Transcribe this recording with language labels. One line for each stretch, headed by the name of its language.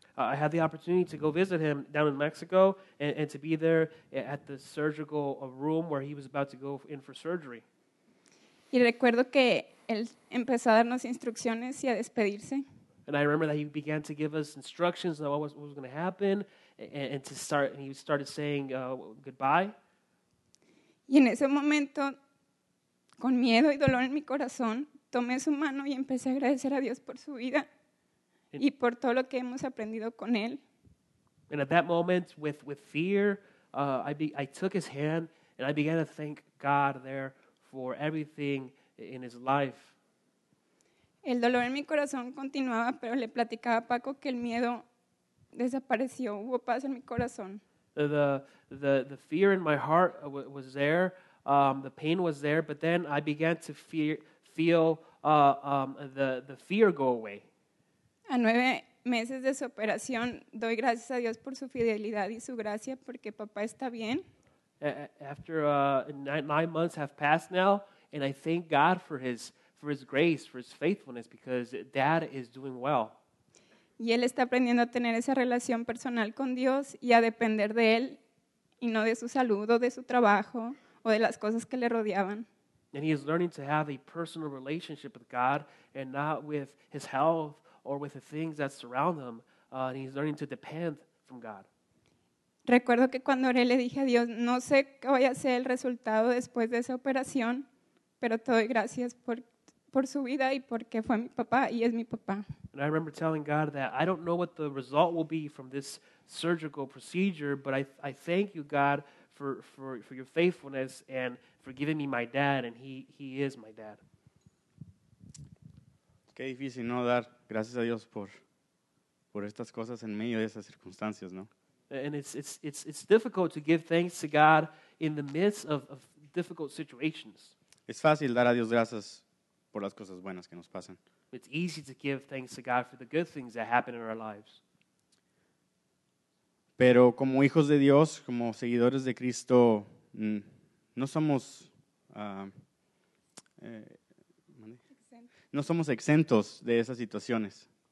English: I had the opportunity to go visit him down in Mexico and to be there at the surgical room where he was about to go in for surgery.
Spanish: Y recuerdo que él empezó a darnos instrucciones y a despedirse.
English: And I remember that he began to give us instructions on what was going to happen and he started saying goodbye.
Spanish: Y en ese momento, con miedo y dolor en mi corazón, tomé su mano y empecé a agradecer a Dios por su vida. Y por todo lo que hemos aprendido con él.
English: And at that moment, with fear, I took his hand and I began to thank God there for everything in his life.
Spanish: El dolor en mi corazón continuaba, pero le platicaba a Paco que el miedo desapareció. Hubo paz en mi corazón.
English: The fear in my heart was there. The pain was there, but then I began to feel the fear go away.
Spanish: A 9 meses de su operación, doy gracias a Dios por su fidelidad y su gracia, porque papá está bien.
English: After 9 months have passed now, and I thank God for his grace, for his faithfulness, because dad is doing well.
Spanish: Y él está aprendiendo a tener esa relación personal con Dios y a depender de él, y no de su salud o de su trabajo o de las cosas que le rodeaban.
English: And he is learning to have a personal relationship with God and not with his health, or with the things that surround him, and he's learning to depend from God.
Spanish: Recuerdo que cuando oré le dije a Dios, no sé qué vaya a ser el resultado después de esa operación, pero te doy gracias por su vida y porque fue mi papá y es mi papá.
English: And I remember telling God that I don't know what the result will be from this surgical procedure, but I thank you, God, for your faithfulness and for giving me my dad, and he is my dad.
Spanish: Qué difícil no dar gracias a Dios por estas cosas en medio de esas circunstancias, ¿no?
English: And it's difficult to give thanks to God in the midst of difficult situations.
Spanish: Es fácil dar a Dios gracias por las cosas buenas que nos pasan.
English: It's easy to give thanks to God for the good things that happen in our lives.
Spanish: Pero como hijos de Dios, como seguidores de Cristo, no somos no somos exentos de esas situaciones.